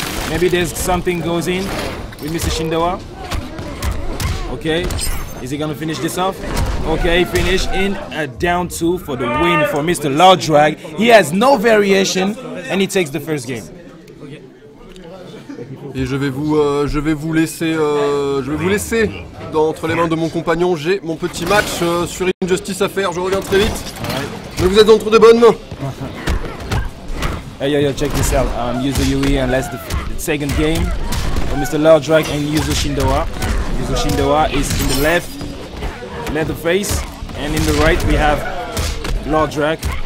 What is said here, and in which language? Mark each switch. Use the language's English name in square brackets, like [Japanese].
[English] Maybe there's something goes in with Mr. Shindoa. Okay, is he gonna finish this off? Okay, finish in a down two for the win for Mr. Lodrak. He has no variation and he takes the first game. [French] Et je vais vous laisser entre les mains de mon compagnon. J'ai mon petit match sur Injustice à faire, je reviens très vite. Mais vous êtes entre de bonnes mains. [English] Hey yo, check this out. Yuzu Yui and let's the second game for Mr. Lodrak and Yuzu Shindoa. Yuzu Shindoa is in the left, face, and in the right we have Lodrak.